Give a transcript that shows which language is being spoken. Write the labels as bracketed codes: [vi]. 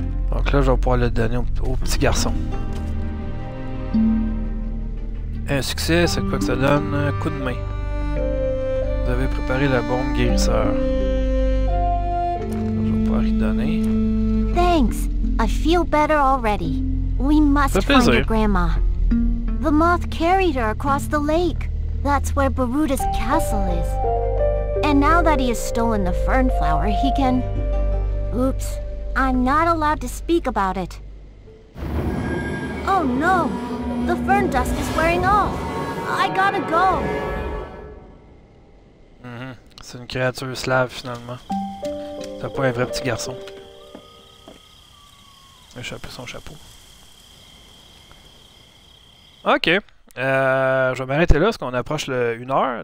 [fr] Donc là, je vais pouvoir le donner au petit garçon. Un succès, c'est quoi que ça donne? Un coup de main. Vous avez préparé la bombe guérisseur. Je vais pouvoir y donner. [en] Thanks. I feel better already. We must find your grandma. The moth carried her across the lake. That's where Baruta's castle is. And now that he has stolen the fern flower, he can... Oops. I'm not allowed to speak about it. Oh no! The fern dust is wearing off! I gotta go! [fr] C'est une créature slave, finalement. C'est pas un vrai petit garçon. échapper son chapeau. Ok. Je vais m'arrêter là parce qu'on approche le 1h.